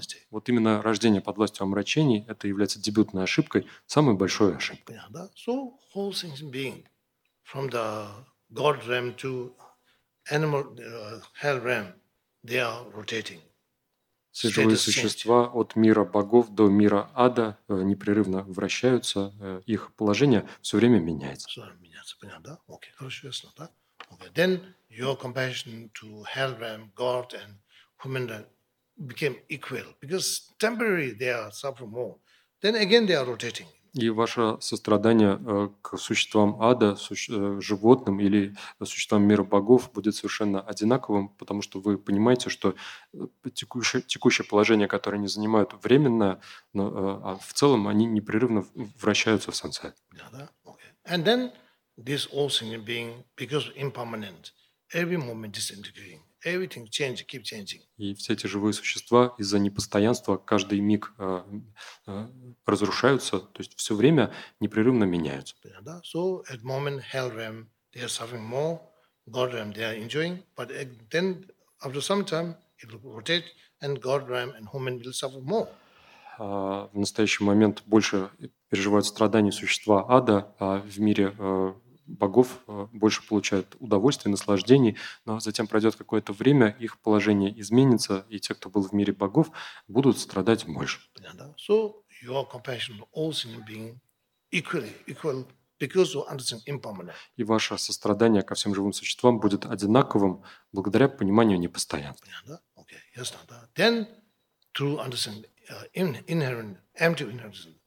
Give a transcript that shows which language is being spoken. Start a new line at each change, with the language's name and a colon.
Russian: Вот именно рождение под властью омрачений – это является дебютной ошибкой, самой большой ошибкой. Yeah, да?
English: So, all things being, from the God realm to animal, hell realm, they are rotating.
Russian: Все живые существа от мира богов до мира ада непрерывно вращаются, их положение все время меняется. Все время меняется, понятно, да? Окей, хорошо, ясно, да? Окей,
English: then your compassion to hell realm, God and human realm became equal, because temporarily they are suffering more. Then again they are rotating.
Russian: И ваше сострадание к существам ада, животным или существам мира богов будет совершенно одинаковым, потому что вы понимаете, что текущее положение, которое они занимают, временное, но, а в целом они непрерывно вращаются в сансаре.
English: And then this all single being, because impermanent, every moment disintegrating. Everything change, keep changing.
Russian: И все эти живые существа из-за непостоянства каждый миг разрушаются, то есть все время непрерывно меняются. Да?
English: So at moment hell realm they are suffering more, God realm they are enjoying, but then after some time it will rotate and God realm and human will suffer more.
Russian: В настоящий момент больше переживают страдания существа ада, а в мире богов больше получают удовольствие, наслаждений, но затем пройдет какое-то время, их положение изменится, и те, кто был в мире богов, будут страдать больше.
English: So your compassion all single being equal because you understand impermanence.
Russian: И ваше сострадание ко всем живым существам будет одинаковым благодаря пониманию непостоянства.
English: Okay, yes, then through understanding inherent empty inherence.